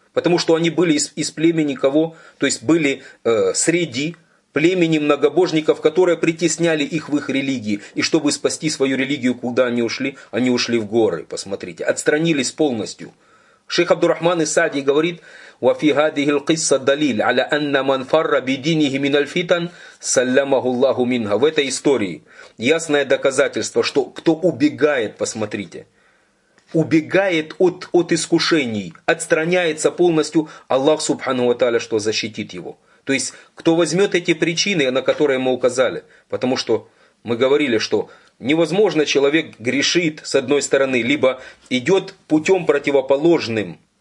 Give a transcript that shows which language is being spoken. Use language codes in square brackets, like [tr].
[ru] Потому что они были из племени кого? То есть, были среди племени многобожников, которые притесняли их в их религии. И чтобы спасти свою религию, куда они ушли? Они ушли в горы, посмотрите. Отстранились полностью. Шейх Абдурахман ас-Саади говорит... [ar] وفي هذه القصة دليل على أن من فر بدينه من الفتن سلمه الله منها. [ru] В этой истории ясное доказательство, что кто убегает, посмотрите, убегает от искушений, отстраняется полностью, Аллах [ar] Субханаху ва Тааля [ru] что защитит его. То есть кто возьмет эти причины, на которые мы указали, потому что мы говорили, что невозможно человек грешит с одной стороны, либо идет путем противоположным.